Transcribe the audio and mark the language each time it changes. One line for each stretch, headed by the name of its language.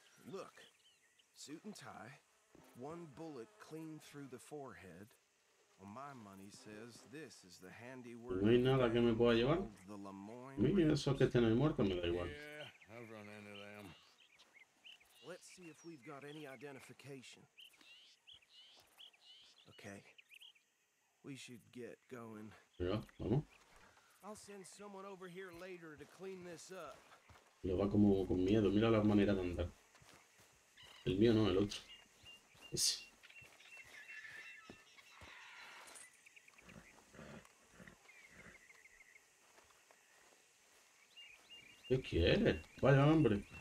English: Look, suit and tie, one bullet clean through the forehead. Well, my money says this is the handiwork.
Spanish: No hay nada que me pueda llevar. Mira eso que tiene el muerto, me da igual.
English: Yeah, I've run into them. Let's see if we've got any identification. Okay, we should get going. Yeah, vamos. I'll send someone over here later to clean this up.
Spanish: Lo va como con miedo, mira la manera de andar. El mío no, el otro. Ese. ¿Qué quieres? Vaya hombre.